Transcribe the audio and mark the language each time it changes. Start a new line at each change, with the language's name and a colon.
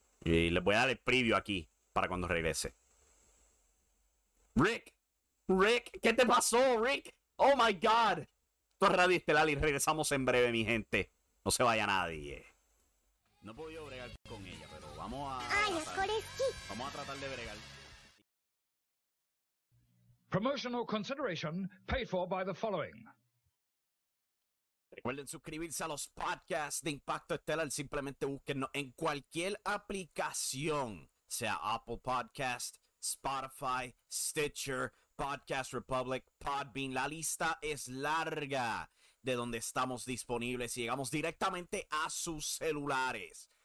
Spanish: Y les voy a dar el preview aquí para cuando regrese. Rick, ¿qué te pasó, Rick? Oh my God. Esto es Radio Estelar y regresamos en breve, mi gente. No se vaya nadie. No he podido bregar con ella, pero vamos a... ¡Ay, Skoreski! Vamos a tratar de bregar.
English: Promotional consideration paid for by the following.
Spanish: Recuerden suscribirse a los podcasts de Impacto Estelar. Simplemente búsquenos en cualquier aplicación, sea Apple Podcast, Spotify, Stitcher, Podcast Republic, Podbean. La lista es larga de donde estamos disponibles y llegamos directamente a sus celulares.